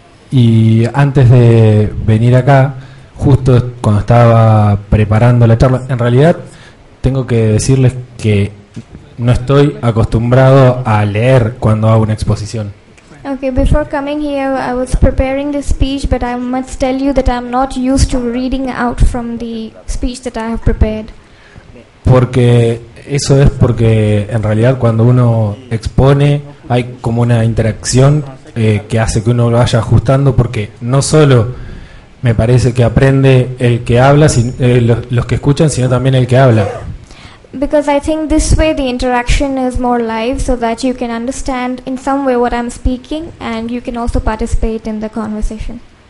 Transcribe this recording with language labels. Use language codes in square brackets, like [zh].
[es] Y antes de venir acá, justo cuando estaba preparando la charla, en realidad tengo que decirles que no estoy acostumbrado a leer cuando hago una exposición. [en] Okay, before coming here, I was preparing this speech, but I must tell you that I'm not used to reading out from the speech that I have prepared. [es] Porque eso es porque en realidad cuando uno expone hay como una interacción que hace que uno lo vaya ajustando, porque no solo me parece que aprende el que habla, los que escuchan, sino también el que habla. [en] Because I think this way the interaction is more live, so that you can understand in some way what I'm speaking and you can also participate in the conversation.